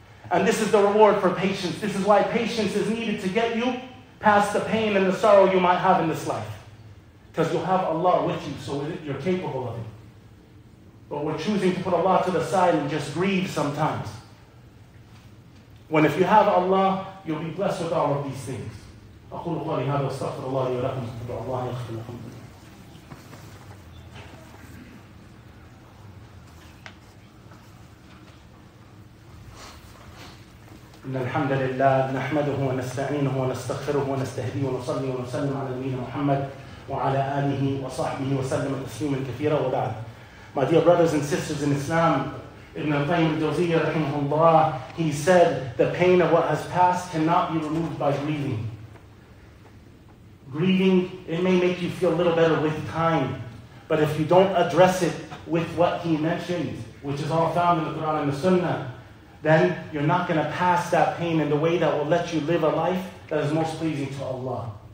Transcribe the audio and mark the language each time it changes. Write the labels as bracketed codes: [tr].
[en] And this is the reward for patience. This is why patience is needed to get you past the pain and the sorrow you might have in this life. Because you'll have Allah with you, so you're capable of it. But we're choosing to put Allah to the side and just grieve sometimes. When if you have Allah, you'll be blessed with all of these things. [ar] أقول قولي هذا واستغفر الله لي ولكم استغفر الله يغفر لكم. إن الحمد لله نحمده ونستعينه ونستغفره ونستهديه ونصلي ونسلم على نبينا محمد وعلى آله وصحبه وسلم تسليما كثيرا وبعد. [en] My dear brothers and sisters in Islam, Ibn al-Qayyim al-Jawziyyah rahimahullah, he said, the pain of what has passed cannot be removed by grieving. Grieving, it may make you feel a little better with time, but if you don't address it with what he mentioned, which is all found in the Quran and the Sunnah, then you're not going to pass that pain in the way that will let you live a life that is most pleasing to Allah.